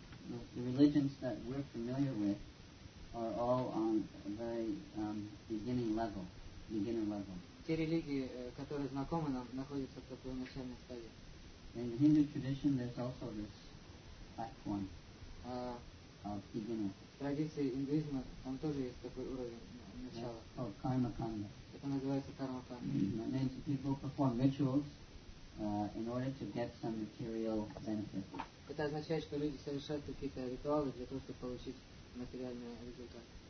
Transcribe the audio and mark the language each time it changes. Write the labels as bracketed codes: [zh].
[en] The religions that we're familiar with are all on a very beginner level. [ru] Те религии, которые знакомы нам, находятся в такой начальной стадии. [en] In the Hindu tradition, there's also this fact one of beginner. [ru] В традиции индуизма там тоже есть такой уровень начала. [en] Yes, called Karmakanda. [ru] Это называется Karmakanda. [en] That means people perform rituals in order to get some material benefit. [ru] Это означает, что люди совершают какие-то ритуалы для того, чтобы получить материальный результат.